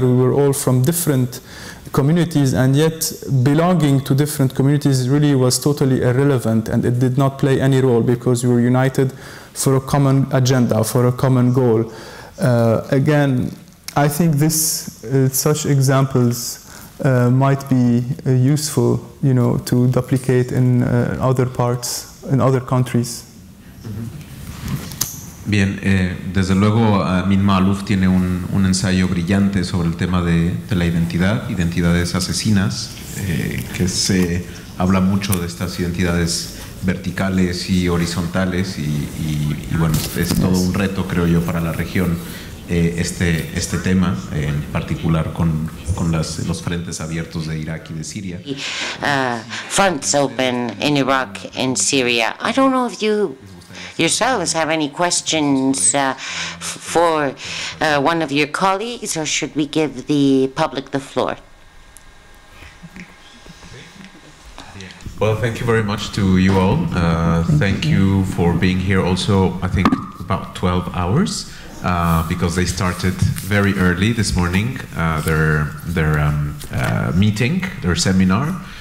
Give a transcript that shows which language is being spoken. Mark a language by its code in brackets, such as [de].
[en] We were all from different communities, and yet belonging to different communities really was totally irrelevant, and it did not play any role because we were united for a common agenda, for a common goal. Again, I think this such examples might be useful, you know, to duplicate in other parts, in other countries. Mm-hmm. [es] Bien, desde luego, Amin Maalouf tiene un ensayo brillante sobre el tema de la identidad, identidades asesinas, que se habla mucho de estas identidades verticales y horizontales, y bueno, es todo un reto, creo yo, para la región, este tema, en particular con los frentes abiertos de Irak y de Siria. [en] Fronts open in Iraq and Syria. I don't know if you yourselves have any questions for one of your colleagues, or should we give the public the floor? Well, thank you very much to you all. Thank you for being here also, I think, about 12 hours, because they started very early this morning, their meeting, their seminar.